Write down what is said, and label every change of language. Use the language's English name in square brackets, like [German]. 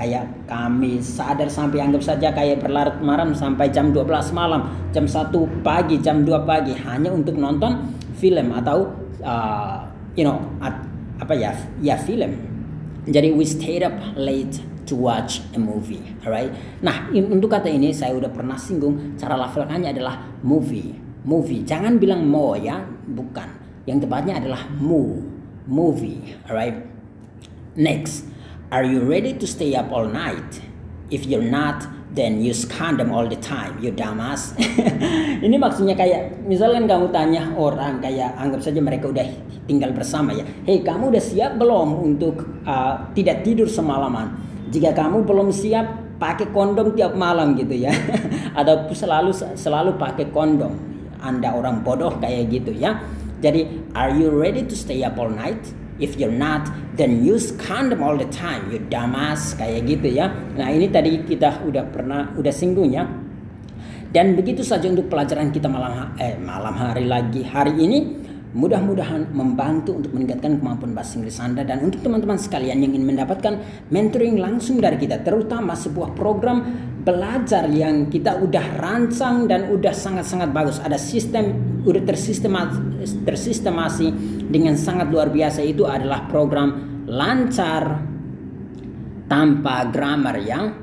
[Indonesian] Kayak kami sadar sampai anggap saja kayak berlarut malam sampai jam 12 malam, jam 1 pagi, jam 2 pagi hanya untuk nonton film atau film. Jadi [English] we stayed up late to watch a movie, alright? [Indonesian] Nah, untuk kata ini saya udah pernah singgung, cara lafalkannya adalah movie. Jangan bilang more ya, bukan. Yang tepatnya adalah movie, alright? [English] Next, are you ready to stay up all night? If you're not, then use condom all the time, you dumbass. [Indonesian] Ini maksudnya kayak, misalkan kamu tanya orang, kayak anggap saja mereka udah tinggal bersama ya. Hey, kamu udah siap belum untuk tidak tidur semalaman? Jika kamu belum siap, pakai kondom tiap malam gitu ya. Atau selalu pakai kondom. Anda orang bodoh kayak gitu ya. Jadi, [English] are you ready to stay up all night? If you're not, then use condom all the time, you dumbass. [Indonesian] Kayak gitu ya. Nah, ini tadi kita udah singgung ya. Dan begitu saja untuk pelajaran kita hari ini. Mudah-mudahan membantu untuk meningkatkan kemampuan bahasa Inggris Anda. Dan untuk teman-teman sekalian yang ingin mendapatkan mentoring langsung dari kita, terutama sebuah program belajar yang kita udah rancang dan udah sangat-sangat bagus, ada sistem, udah tersistemasi dengan sangat luar biasa, itu adalah program Lancar Tanpa Grammar ya.